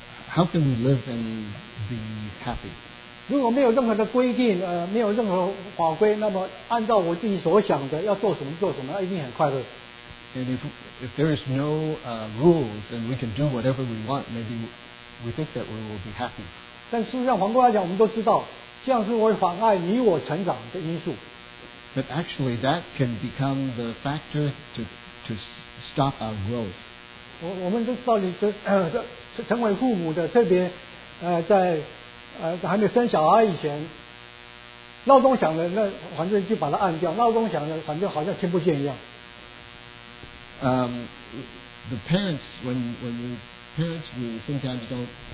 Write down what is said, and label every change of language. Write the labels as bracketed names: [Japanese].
[English] How can we live and be happy? [Chinese] 如果没有任何的规定，没有任何法规，那么按照我自己所想的要做什么做什么，一定很快乐。 [English] And if there is no rules and we can do whatever we want, maybe we think that we will be happy. [Chinese] 但事实上，反过来讲，我们都知道，这样是会妨碍你我成长的因素。 [English] But actually, that can become the factor to stop our growth. [Chinese] 我们都知道你是成为父母的，特别在还没生小孩以前，闹钟响了，那反正就把它按掉，闹钟响了，反正好像听不见一样。 [English] The parents, when your parents, we sometimes don't,